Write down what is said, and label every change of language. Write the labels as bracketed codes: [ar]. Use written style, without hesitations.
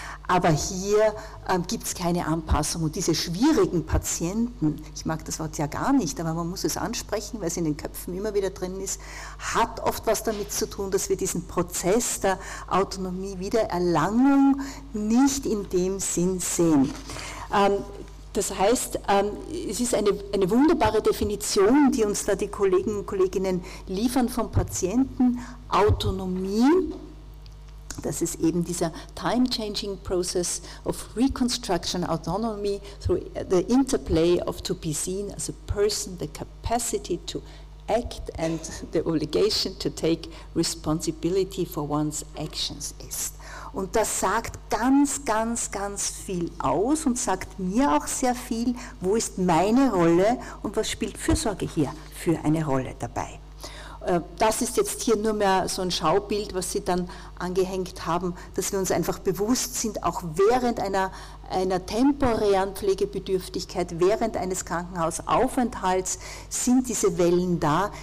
[de] Aber hier gibt es keine Anpassung und diese schwierigen Patienten, ich mag das Wort ja gar nicht, aber man muss es ansprechen, weil es in den Köpfen immer wieder drin ist, hat oft was damit zu tun, dass wir diesen Prozess der Autonomie-Wiedererlangung nicht in dem Sinn sehen. Das heißt, es ist eine wunderbare Definition, die uns da die Kollegen und Kolleginnen liefern vom Patienten, Autonomie. Das ist eben dieser [en] time-changing process of reconstruction autonomy through the interplay of to be seen as a person, the capacity to act and the obligation to take responsibility for one's actions ist. [de] Und das sagt ganz, ganz, ganz viel aus und sagt mir auch sehr viel, wo ist meine Rolle und was spielt Fürsorge hier für eine Rolle dabei. Das ist jetzt hier nur mehr so ein Schaubild, was Sie dann angehängt haben, dass wir uns einfach bewusst sind, auch während einer temporären Pflegebedürftigkeit, während eines Krankenhausaufenthalts sind diese Wellen da.